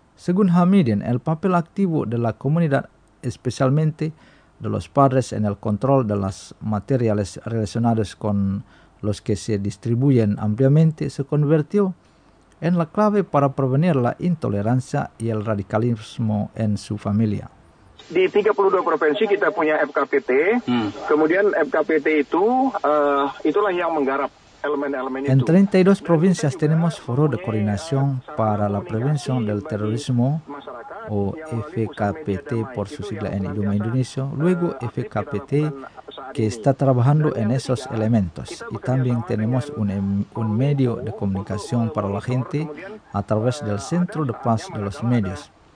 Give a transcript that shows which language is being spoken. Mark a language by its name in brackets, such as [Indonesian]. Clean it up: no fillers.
[Spanish] Según Hamidin, el papel activo de la comunidad, especialmente de los padres en el control de los materiales relacionados con los que se distribuyen ampliamente, se convirtió en la clave para prevenir la intolerancia y el radicalismo en su familia. [Indonesian] Di 32 provinsi kita punya FKPT, kemudian FKPT itu itulah yang menggarap elemen-elemen itu. [Spanish] En 32 provincias tenemos foro de coordinación para la prevención del terrorismo, o FKPT por su sigla en idioma indonesio, luego FKPT, que está trabajando en esos elementos. Y también tenemos un medio de comunicación para la gente a través del Centro de Paz de los Medios.